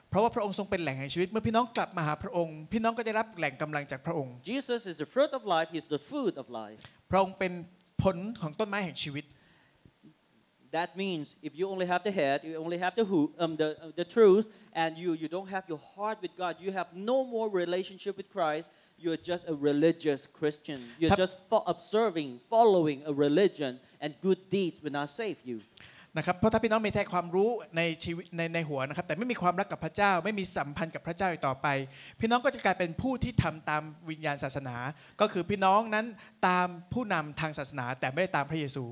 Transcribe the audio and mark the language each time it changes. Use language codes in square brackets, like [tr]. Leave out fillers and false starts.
[th] เพราะว่าพระองค์ทรงเป็นแหล่งแห่งชีวิตเมื่อพี่น้องกลับมาหาพระองค์พี่น้องก็จะรับแหล่งกําลังจากพระองค์ [en] Jesus is the fruit of life he is the food of life [th] พระองค์เป็นผลของต้นไม้แห่งชีวิต [en] That means if you only have the head you only have the truth and you don't have your heart with God you have no more relationship with ChristYou're just a religious Christian. You're just observing, following a religion, and good deeds will not save you. [th] นะครับเพราะถ้าพี่น้องมีแต่ความรู้ในชีวิตในหัวนะครับแต่ไม่มีความรักกับพระเจ้าไม่มีสัมพันธ์กับพระเจ้าอีกต่อไปพี่น้องก็จะกลายเป็นผู้ที่ทำตามวิญญาณศาสนาก็คือพี่น้องนั้นตามผู้นำทางศาสนาแต่ไม่ได้ตามพระเยซู